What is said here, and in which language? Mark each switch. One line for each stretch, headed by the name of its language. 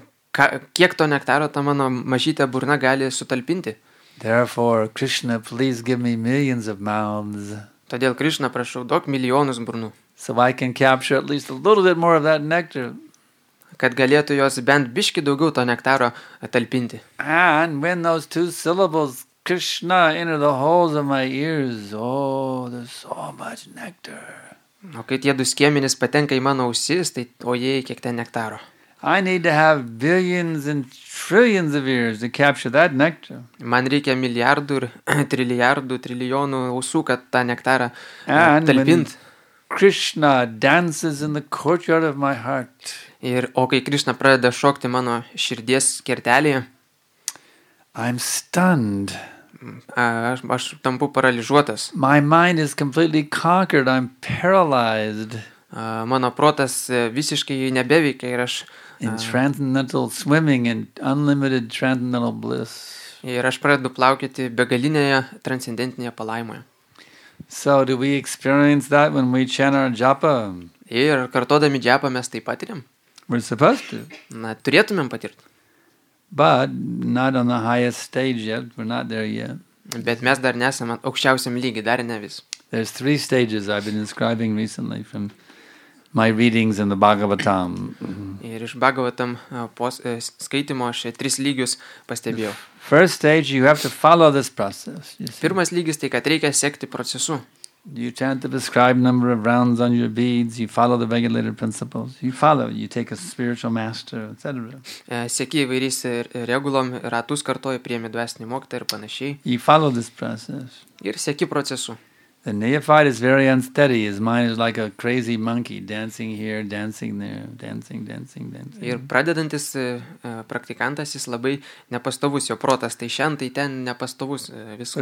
Lithuanian: Kiek to nektaro ta mano mažytė burna gali sutalpinti?
English: Therefore, Krishna, please give me millions of mouths.
Lithuanian: Todėl Krishna, prašau, duok milijonus burnų.
English: So I can capture at least a little bit more of that nectar.
Lithuanian: Kad galėtų jos bent biški daugiau to nektaro talpinti.
English: And when those two syllables Krishna enter the holes of my ears, oh, there's so much nectar.
Lithuanian: O kai tie du skiemenys patenka į mano ausis, tai o jei kiek ten nektaro.
English: I need to have billions and trillions of ears to capture that nectar.
Lithuanian: Man reikia milijardų ir trilijardų, trilijonų ausų, kad tą nektarą talpint.
English: Krishna dances in the courtyard of my heart.
Lithuanian: Ir o kai Krishna pradeda šokti mano širdies kertelėje,
English: I'm stunned.
Lithuanian: Aš tampu paralyžuotas.
English: My mind is completely conquered, I'm paralyzed.
Lithuanian: Mano protas visiškai nebeveikia ir aš
English: in transcendental swimming and unlimited transcendental bliss.
Lithuanian: Ir aš pradedu plaukyti begalinėje transcendentinėje palaimoje.
English: So do we experience that when we chant our japa?
Lithuanian: Ir kartodami japa mes tai patiriam?
English: We're supposed to.
Lithuanian: Na, turėtumėm patirti.
English: But not on the highest stage yet, we're not there yet.
Lithuanian: Bet mes dar nesame aukščiausiam lygi, dar ne vis.
English: There's three stages I've been describing recently from my readings in the Bhagavatam.
Lithuanian: Ir iš Bhagavatam skaitimo aš tris lygius pastebėjau.
English: First stage, you have to follow this process.
Lithuanian: Pirmas lygis tai, kad reikia sekti procesu.
English: You chant the prescribed number of rounds on your beads, you follow the regulated principles, you follow, you take a spiritual master, etc.
Lithuanian: Sėki įvairiais regulom, ratus kartoji, priemi dvesnį moktą ir panašiai.
English: You follow this process.
Lithuanian: Ir sėki procesu.
English: The neophyte is very unsteady, his mind is like a crazy monkey, dancing here, dancing there, dancing, dancing, dancing.
Lithuanian: Ir pradedantis praktikantas, jis labai nepastovus, jo protas tai šiandien, tai ten nepastovus viskas.